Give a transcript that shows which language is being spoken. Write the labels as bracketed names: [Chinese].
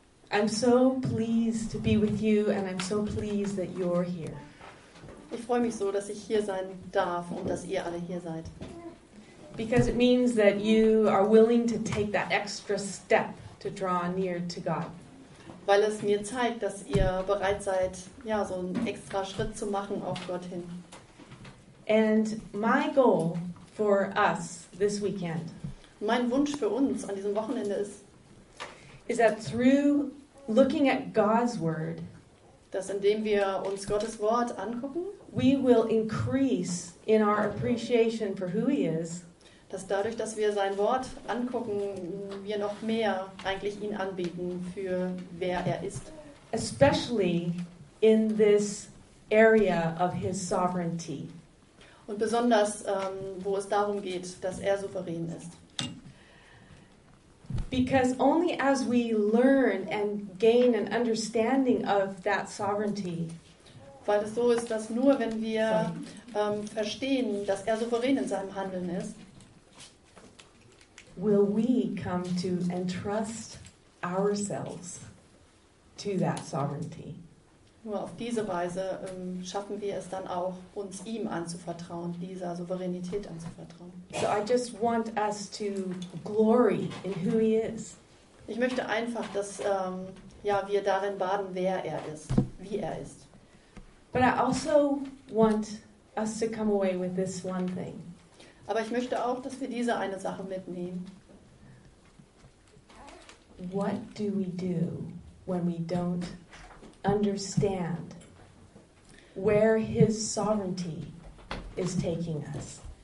[English] I'm so pleased to be with you and I'm so pleased that you're here. [German] Ich freue mich so, dass ich hier sein darf und dass ihr alle hier seid. [English] Because it means that you are willing to take that extra step to draw near to God. [German] Weil es mir zeigt, dass ihr bereit seid, ja, so einen extra Schritt zu machen auf Gott hin. [English] And my goal for us this weekend. [German] Mein Wunsch für uns an diesem Wochenende ist, [English] is that through looking at God's word, [German] dass indem wir uns Gottes Wort angucken, [English] we will increase in our appreciation for who he is. [German] Dass dadurch, dass wir sein Wort angucken, wir noch mehr eigentlich ihn anbieten für wer er ist. [English] Especially in this area of his sovereignty. [German] Und besonders, wo es darum geht, dass er souverän ist. [English] Because only as we learn and gain an understanding of that sovereignty. [German] Weil es so ist, dass nur wenn wir verstehen, dass er souverän in seinem Handeln ist, [English] will we come to entrust ourselves to that sovereignty? [German] Nur auf diese Weise schaffen wir es dann auch, uns ihm anzuvertrauen, dieser Souveränität anzuvertrauen. [English] So I just want us to glory in who he is. [German] Ich möchte einfach, dass wir darin baden, wer er ist, wie er ist. [English] But I also want us to come away with this one thing. [German] Aber ich möchte auch, dass wir diese eine Sache mitnehmen. [English] What do we do when we don't understand where his sovereignty is taking us?